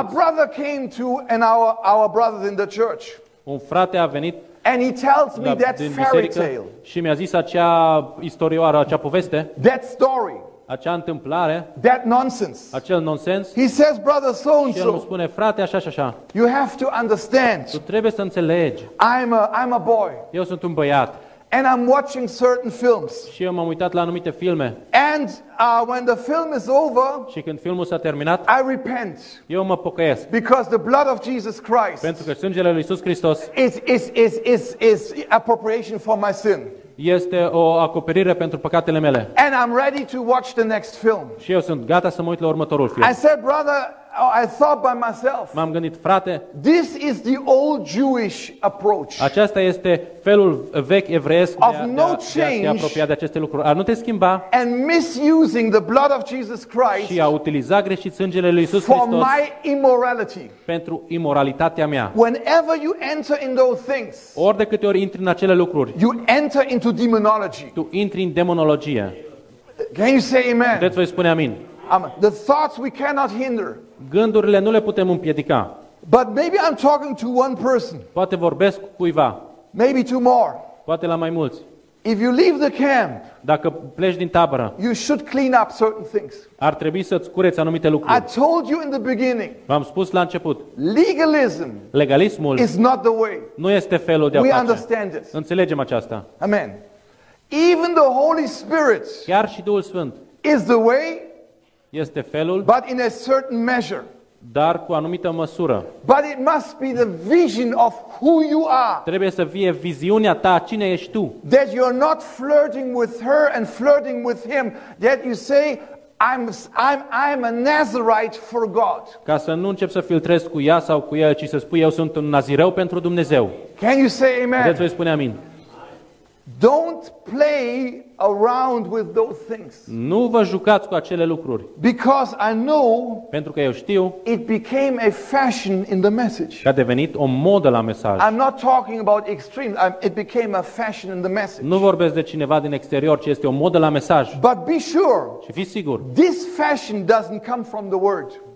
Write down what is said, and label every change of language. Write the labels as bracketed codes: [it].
[en] A brother came to and our brothers in the church. [ro] Un frate a venit. [en] And he tells me that fairy tale. [ro] Și mi-a zis acea istorioară, acea poveste. [en] That story. [ro] Acea întâmplare. [en] That nonsense. [ro] Acel nonsens. [en] He says, brother, so and so. [ro] Și el îmi spune, frate, așa și așa. [en] You have to understand. [ro] Tu trebuie să înțelegi. [en] I'm a boy. [ro] Eu sunt un băiat. [en] And I'm watching certain films. [ro] Și eu m-am uitat la anumite filme. [en] And when the film is over. [ro] Și când filmul s-a terminat. [en] I repent. [ro] Eu mă pocăiesc. [en] Because the blood of Jesus Christ. [ro] Pentru că sângele lui Iisus Hristos. [en] Is appropriation for my sin. [ro] Este o acoperire pentru păcatele mele. [en] And I'm ready to watch the next film. [ro] Și eu sunt gata să mă uit la următorul film. [en] I said, brother, I thought by myself. [ro] M-am gândit, frate. [en] This is the old Jewish approach. [ro] Aceasta este felul vechi evreiesc [en] of no change. [ro] De a te apropia de aceste lucruri, a nu te schimba. [en] And misusing the blood of Jesus Christ. [ro] Și a utiliza greșit sângele lui Iisus [en] Hristos. For my immorality. [ro] Pentru imoralitatea mea. [en] Whenever you enter in those things. [ro] Ori de câte ori intri în acele lucruri. [en] You enter into demonology. [ro] Tu intri în demonologie. [en] Can you say amen? [ro] Puteți voi spune amin? [en] The thoughts we cannot hinder. [ro] Gândurile nu le putem împiedica. [en] But maybe I'm talking to one person. [ro] Poate vorbesc cu cuiva. [en] Maybe two more. [ro] Poate la mai mulți. [en] If you leave the camp. [ro] Dacă pleci din tabără. [en] You should clean up certain things. [ro] Ar trebui să-ți cureți anumite lucruri. [en] I told you in the beginning. [ro] V-am spus la început. [en] Legalism. [ro] Legalismul. [en] Is not the way. [ro] Nu este felul de a face. [en] We understand this. [ro] Înțelegem aceasta. [en] Amen. Even the Holy Spirit. [ro] Chiar și Duhul Sfânt. [en] Is the way. [ro] Este felul, [en] but in a certain measure. [ro] Dar cu anumită măsură. [en] But it must be the vision of who you are. [ro] Trebuie să fie viziunea ta, cine ești tu. [en] That you're not flirting with her and flirting with him. That you say, I'm a Nazirite for God. [ro] Ca să nu începi să filtrezi cu ea sau cu el, ci să spui eu sunt un nazireu pentru Dumnezeu. [en] Can you say amen? [ro] Puteți voi spune amin. [en] Don't play around with those things. [ro] Nu vă jucați cu acele lucruri. [en] Because I know. [ro] Pentru că eu știu. [en] It became a fashion in the message. [ro] A devenit o modă la mesaj. [en] I'm not talking about extremes. It became a fashion in the message. [ro] Nu vorbesc de cineva din exterior, ci este o modă la mesaj. [en] But be sure. [ro] Și fii sigur. [en] This fashion doesn't come from the word.